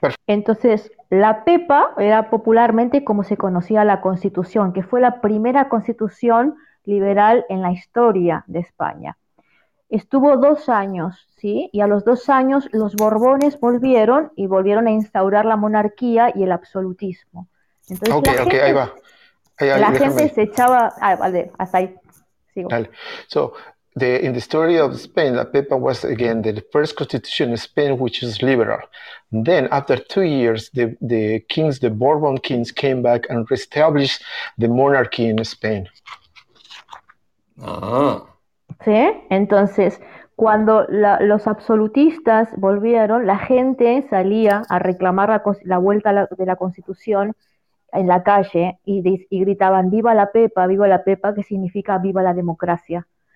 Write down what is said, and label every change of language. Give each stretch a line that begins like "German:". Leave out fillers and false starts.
Spanish: Entonces, la Pepa era popularmente como se conocía la Constitución, que fue la primera Constitución liberal en la historia de España. Estuvo 2 años, ¿sí? Y a los 2 años los Borbones volvieron y volvieron a instaurar la monarquía y el absolutismo. Entonces, ahí va. La gente se echaba... Ah, vale, hasta ahí. Sigo. Dale. So,
English: In the story of Spain, La Pepa was again the first constitution in Spain, which is liberal. And then, after 2 years, the Bourbon kings came back and reestablished the monarchy in Spain.
Spanish: Sí, entonces cuando los absolutistas volvieron, la gente salía a reclamar la vuelta de la constitución en la calle y gritaban viva la Pepa, que significa viva la democracia.